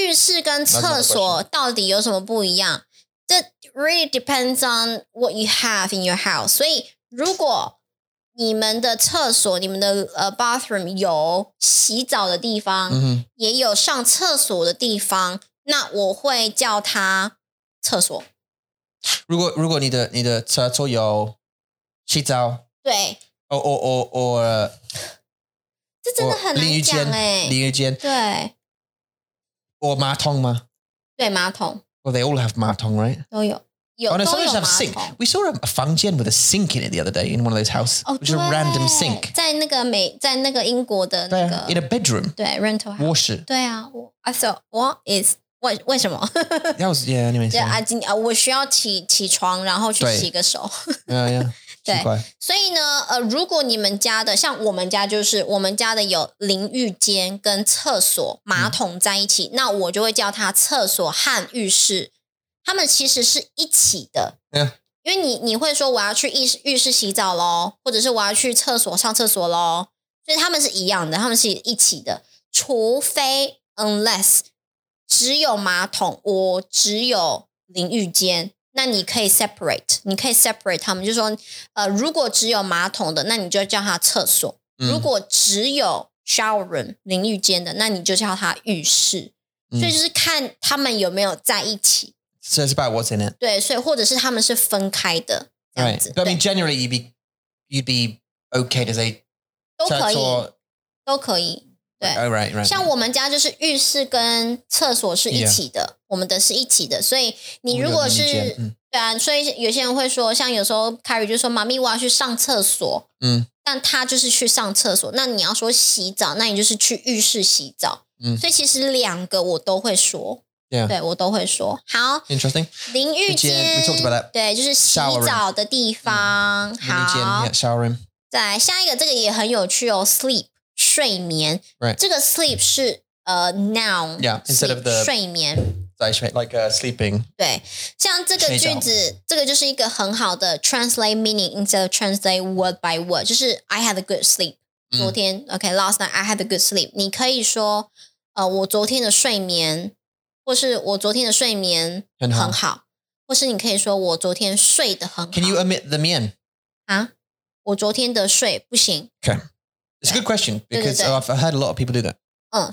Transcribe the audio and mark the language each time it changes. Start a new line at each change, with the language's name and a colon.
Chinese: 哦,那时候你有问我为什么是浴室,为什么不是厕所,对不对?所以浴室跟厕所到底有什么不一样?
English: That really depends on what you have in your house.
Chinese: 所以如果你们的厕所,你们的 bathroom 有洗澡的地方,也有上厕所的地方, 那我会叫它厕所。如果你的厕所有洗澡? 对。
English: Or
Chinese: 这真的很难讲诶。淋浴间。对。Or马桶吗? 对,马桶。
English: Well, they all have 马桶, right?
Chinese: 都有。有,
English: oh, no, some of them have sink. We saw a 房间 with a sink in it the other day in one of those houses. Oh, which is a random sink.
Chinese: 在那个英国的那个。对啊,
English: in a bedroom. 对, rental house.
Chinese: 卧室。
English: 对啊, I thought, what is, what,
Chinese: 为什么?
English: That was, yeah, anyway.
Chinese: 对, 我需要起床,然后去洗个手。
English: yeah, yeah. 对，
Chinese: 所以呢，如果你们家的像我们家，就是我们家的有淋浴间跟厕所马桶在一起，那我就会叫它厕所和浴室，他们其实是一起的。因为你会说我要去浴室洗澡咯，或者是我要去厕所上厕所咯，所以他们是一样的，他们是一起的，除非 unless 只有马桶，我只有淋浴间，那你可以 separate， 你可以 separate 他们，就是说如果只有马桶的，那你就叫他厕所，如果只有 shower room 淋浴间的，那你就叫他浴室，所以就是看他们有没有在一起。
English: So it's about what's in it.
Chinese: 对，所以或者是他们是分开的这样子。
English: Right. But I mean, generally, you'd be okay to say
Chinese: 都可以。对。
English: Oh, right.
Chinese: 像我们家就是浴室跟厕所是一起的， yeah. 我们的是一起的。所以你如果是对啊，所以有些人会说，像有时候 Carrie 就说：“妈咪，我要去上厕所。” 但他就是去上厕所。那你要说洗澡，那你就是去浴室洗澡。所以其实两个我都会说。
English: Yeah.
Chinese: 对，我都会说。好
English: ，interesting。
Chinese: 淋浴间
English: ，we talked about that。
Chinese: 对，就是洗澡的地方。
English: 淋浴间 ，shower room。
Chinese: 再来下一个，这个也很有趣哦 ，sleep， 睡眠。
English: Right，
Chinese: 这个 sleep 是noun。
English: Yeah， instead of the
Chinese: 睡眠。
English: Like sleeping。
Chinese: 对，像这个句子，这个就是一个很好的
English: translate meaning instead of translate word by word。就是 I had a good sleep。
Chinese: 昨天
English: ，OK， last night I had a good sleep。
Chinese: 你可以说，我昨天的睡眠。或是我昨天的睡眠很好，或是你可以说我昨天睡得很好。
English: Can you omit the 眠？
Chinese: 啊，我昨天的睡不行。
English: Okay, it's a good question because I've heard a lot of people do that.